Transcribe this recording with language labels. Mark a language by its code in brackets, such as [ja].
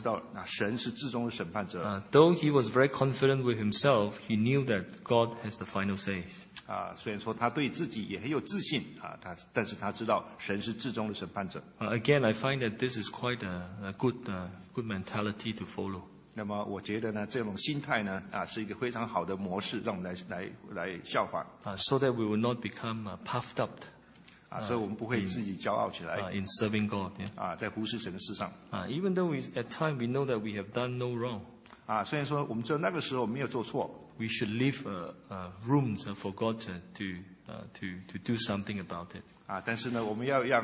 [zh] 他知道这保罗的心里头深处，他知道神是至终的审判者。 [en] Though he was very confident with himself, he knew that God has the final say. [zh] 虽然说他对自己也很有自信，但是他知道神是至终的审判者。 [en] Again, I find that this is quite a good mentality to follow. [zh] 那么我觉得呢，这种心态呢，是一个非常好的模式，让我们来效仿。 [en] So that we will not become puffed up. [zh] 所以我们不会自己骄傲起来。 [en] In serving God. [zh] Yeah. 在服事神的事上。 [en] Even though at times we know that we have done no wrong. [zh] 虽然说我们知道那个时候没有做错。 [en] We should leave room for God to do something about it.